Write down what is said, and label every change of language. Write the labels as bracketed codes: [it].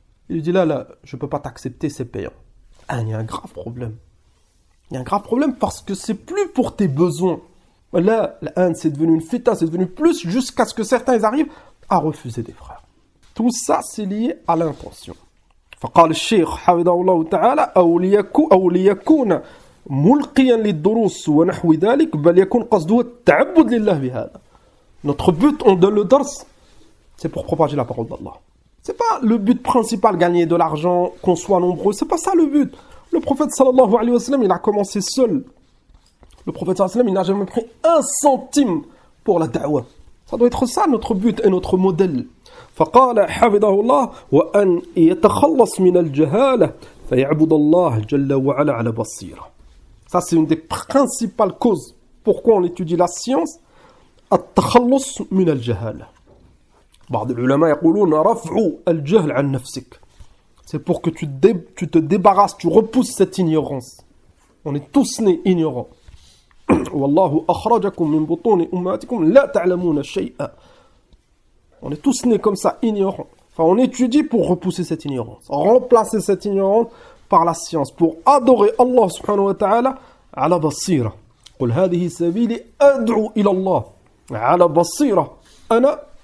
[fr] Il lui dit, là, je ne peux pas t'accepter, c'est payant. Ah, il y a un grave problème. Il y a un grave problème parce que c'est plus pour tes besoins. Là, la haine, c'est devenu une fitna, c'est devenu plus jusqu'à ce que certains ils arrivent à refuser des frères. Tout ça, c'est lié à l'intention. [ar] فقال الشيخ حفظه الله تعالى أو ليكون ملقيا للدروس ونحو ذلك بل يكون قصده التعبد لله بهذا. [fr] Notre but, on donne le dars, c'est pour propager la parole d'Allah. C'est pas le but principal, gagner de l'argent, qu'on soit nombreux. C'est pas ça le but. Le prophète sallallahu alayhi wa sallam, il a commencé seul. Le prophète sallallahu alayhi wa sallam, il n'a jamais pris 1 centime pour la da'wa. Ça doit être ça notre but et notre modèle. [ar] فَقَالَ حَفِظَهُ اللَّهُ وَأَنْ يَتَخَلَّصْ مِنَ الْجَهَالَةِ فَيَعْبُدَ اللَّهُ جَلَّ وَعَلَى عَلَى بَصِيرًا. [fr] Ça c'est une des principales causes pourquoi on étudie la science. [ar] التَخَلُّصْ مِنَ الْجَهَالَةِ. بعض العلماء يقولون رفع الجهل عن نفسك. [fr] C'est pour que tu te débarrasses, tu repousses cette ignorance. On est tous nés ignorants. [ar] والله أخرجكم من بطون أمهاتكم لا تعلمون شيئا. [fr] On est tous nés comme ça, ignorants. Enfin, on étudie pour repousser cette ignorance, remplacer cette ignorance par la science, pour adorer Allah [ar] سبحانه وتعالى على بصيرة. قل هذه سبيلي أدعو إلى الله على بصيرة أنا.